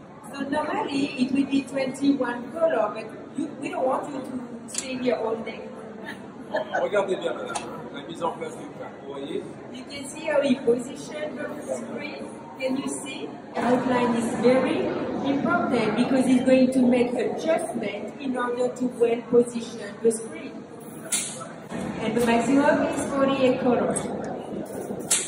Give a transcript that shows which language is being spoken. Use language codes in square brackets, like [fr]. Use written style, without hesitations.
[en] So normally it would be 21 color, but we don't want you to stay here all day. [fr] Regardez bien, madame, la mise en place du cadre, vous voyez? [en] You can see how he positioned the screen. Can you see? The outline is very important because it's going to make adjustment in order to well position the screen. And the maximum is 48 colors.